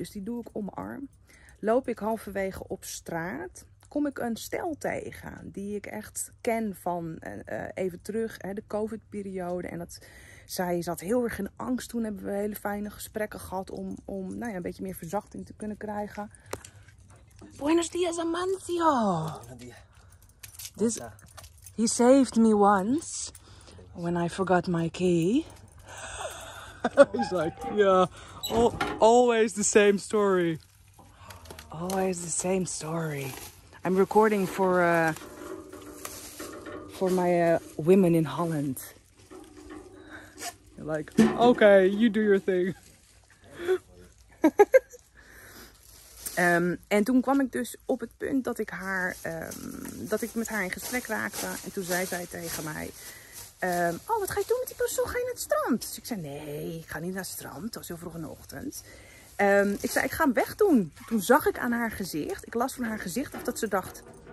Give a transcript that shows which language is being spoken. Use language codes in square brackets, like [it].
[nl] Dus die doe ik om mijn arm. Loop ik halverwege op straat. Kom ik een stel tegen die ik echt ken van even terug, hè, de COVID-periode. En dat zij zat heel erg in angst. Toen hebben we hele fijne gesprekken gehad om nou ja, een beetje meer verzachting te kunnen krijgen. [es] Buenos dias, Amancio. [en] This, he saved me once when I forgot my key. He's like, yeah, always the same story. Always the same story. I'm recording for my women in Holland. You're like, okay, you do your thing. [nl] En toen kwam ik dus op het punt dat ik haar, dat ik met haar in gesprek raakte. En toen zei zij tegen mij, oh, wat ga je doen met die persoon? Ga je naar het strand? Dus ik zei, nee, ik ga niet naar het strand. Het was heel vroeg in de ochtend. Ik zei, ik ga hem wegdoen. Toen zag ik aan haar gezicht, ik las van haar gezicht af dat ze dacht,